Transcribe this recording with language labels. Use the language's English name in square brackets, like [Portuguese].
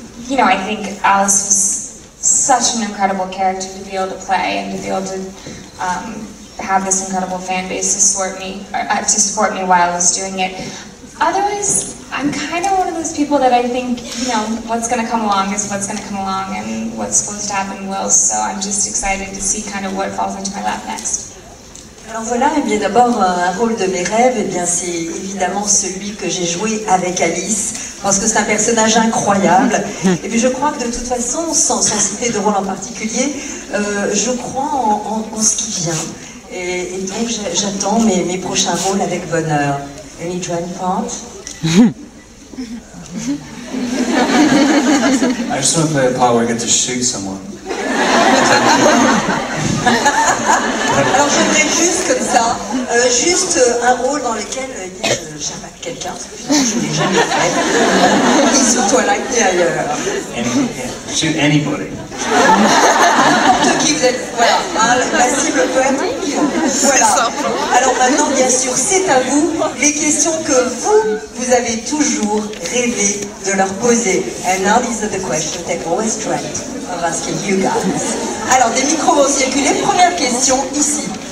[English] You know, I think Alice was such an incredible character to be able to play and to be able to have this incredible fan base to support me while I was doing it. Otherwise, I'm kind of one of those people that I think, you know, what's going to come along is what's going to come along, and what's supposed to happen will. So I'm just excited to see kind of what falls into my lap next. [French] Alors voilà, et bien d'abord, un rôle de mes rêves, et bien c'est évidemment celui que j'ai joué avec Alice, parce que c'est un personnage incroyable. Et puis je crois que de toute façon, sans citer de rôle en particulier, je crois en ce qui vient. Et donc j'attends mes prochains rôles avec bonheur. [English] Any dream part? I just want to play a part where I get to shoot someone. [French] Alors j'aimerais juste comme ça, juste un rôle dans lequel j'abatte quelqu'un, parce que je ne l'ai jamais fait, ni sur Twilight ni ailleurs. [English] Shoot anybody. [French] N'importe qui, vous êtes, voilà, hein, la cible peut être, voilà. Alors maintenant, bien sûr, c'est à vous, les questions que vous avez toujours rêvé de leur poser. [English] And now these are the questions that they've always dreamt of asking you guys. [French] Alors, des micros vont circuler, première question, ici.